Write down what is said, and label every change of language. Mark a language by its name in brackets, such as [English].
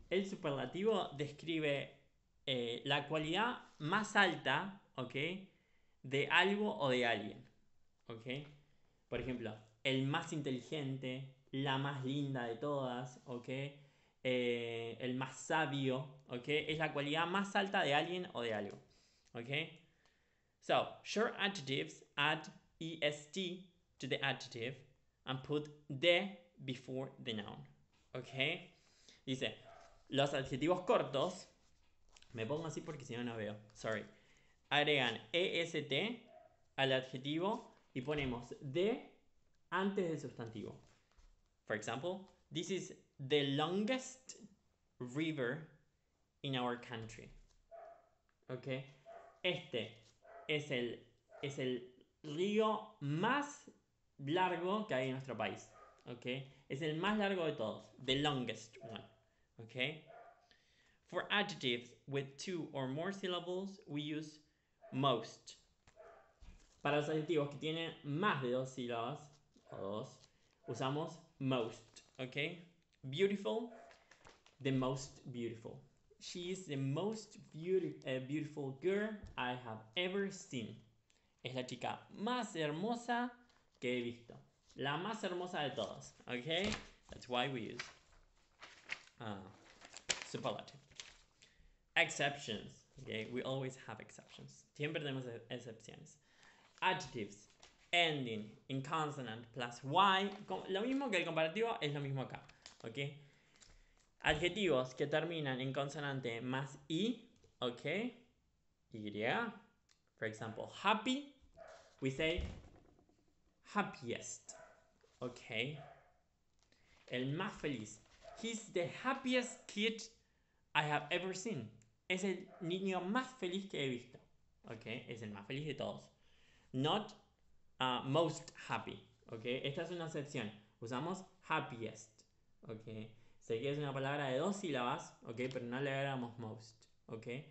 [Spanish] El superlativo describe la cualidad más alta, okay? De algo o de alguien. ¿Ok? Por ejemplo, el más inteligente, la más linda de todas, ¿ok? el más sabio, okay, es la cualidad más alta de alguien o de algo, okay. [English] So, short adjectives add est to the adjective and put the before the noun, okay. [Spanish] Dice, los adjetivos cortos, me pongo así porque si no, no veo, sorry, agregan est al adjetivo y ponemos the antes del sustantivo. [English] For example, this is the longest river in our country. Ok. [Spanish] Este es el río más largo que hay en nuestro país. Ok. Es el más largo de todos. [English] The longest one. [Spanish] Ok. [English] For adjectives with two or more syllables, we use most. [Spanish] Para los adjetivos que tienen más de dos sílabas o dos, usamos most. [English] Ok. Beautiful, the most beautiful. She is the most beautiful girl I have ever seen. [Spanish] Es la chica más hermosa que he visto. La más hermosa de todas. [English] Okay? That's why we use superlative. Exceptions. Okay? We always have exceptions. [Spanish] Siempre tenemos excepciones. [English] Adjectives ending in consonant plus y. [Spanish] Lo mismo que el comparativo, es lo mismo acá. ¿Ok? Adjetivos que terminan en consonante más i, ¿ok? [English] Y. For example, happy, we say happiest, ¿ok? [Spanish] El más feliz. [English] He's the happiest kid I have ever seen. [Spanish] Es el niño más feliz que he visto, ¿ok? Es el más feliz de todos. [English] Not most happy, [Spanish] ¿ok? Esta es una excepción. Usamos happiest. Ok, sé que es una palabra de dos sílabas, ok, pero no le agregamos most, ok.